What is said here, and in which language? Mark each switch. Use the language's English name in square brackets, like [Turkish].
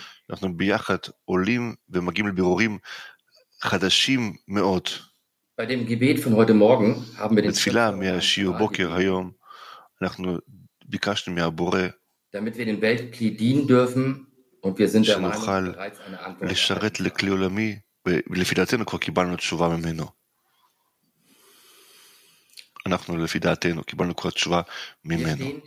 [Hebrew] אנחנו ביחד עולים ומגיעים לבירורים חדשים מאוד. [German] Bei dem Gebet von heute Morgen haben wir den [Hebrew] בתפילה מהשיעור בוקר היום, אנחנו ביקשנו מהבורא, [German] damit wir den Weltkli dienen dürfen, und wir sind [Hebrew] שנוכל לשרת לכלי עולמי, ולפי דעתנו כבר קיבלנו תשובה ממנו. אנחנו לפי דעתנו קיבלנו כבר תשובה ממנו.